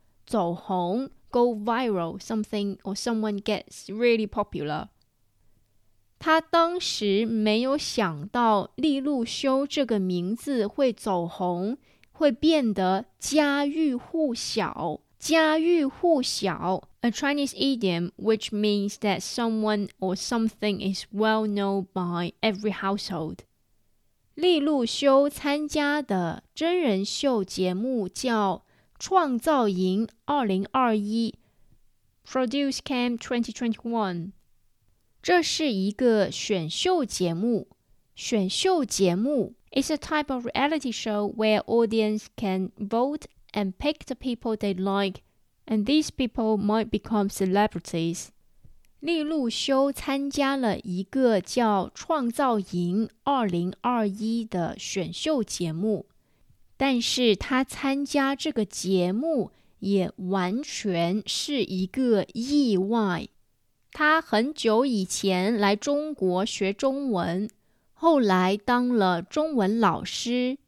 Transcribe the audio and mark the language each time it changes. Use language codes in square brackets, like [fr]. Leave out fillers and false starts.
[zh] 走红 [en] go viral, something or someone gets really popular。 [zh] 他当时没有想到利路修这个名字会走红，会变得家喻户晓。家喻户晓， [en] a Chinese idiom which means that someone or something is well known by every household。 [zh] 利路修参加的真人秀节目叫创造营2021 Produce Camp 2021。这是一个选秀节目。选秀节目 [en] is a type of reality show where audience can vote and pick the people they like, and these people might become celebrities。 [zh] 利路修参加了一个叫创造营2021的选秀节目，但是他参加这个节目也完全是一个意外。他很久以前来中国学中文，后来当了中文老师。